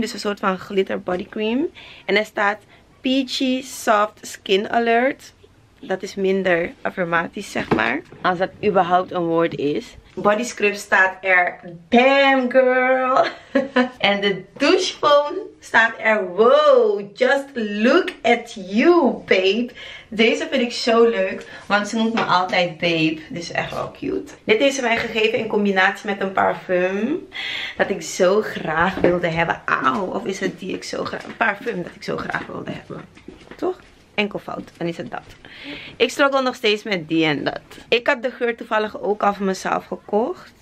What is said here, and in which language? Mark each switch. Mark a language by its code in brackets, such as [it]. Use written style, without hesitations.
[nl] Dus een soort van glitter body cream. En er staat... Peachy Soft Skin Alert. Dat is minder affirmatisch, zeg maar. Als dat überhaupt een woord is. Body scrub staat er. [en] Damn, girl. [nl] En de douchefoam staat er. [en] Wow, just look at you, babe. [nl] Deze vind ik zo leuk. Want ze noemt me altijd babe. Dit is echt wel cute. Dit heeft ze mij gegeven in combinatie met een parfum. Dat ik zo graag wilde hebben. Auw, of is het die ik zo graag... Een parfum dat ik zo graag wilde hebben. Toch? Enkel fout. Dan is het dat. Ik struggle nog steeds met die en dat. Ik had de geur toevallig ook al van mezelf gekocht.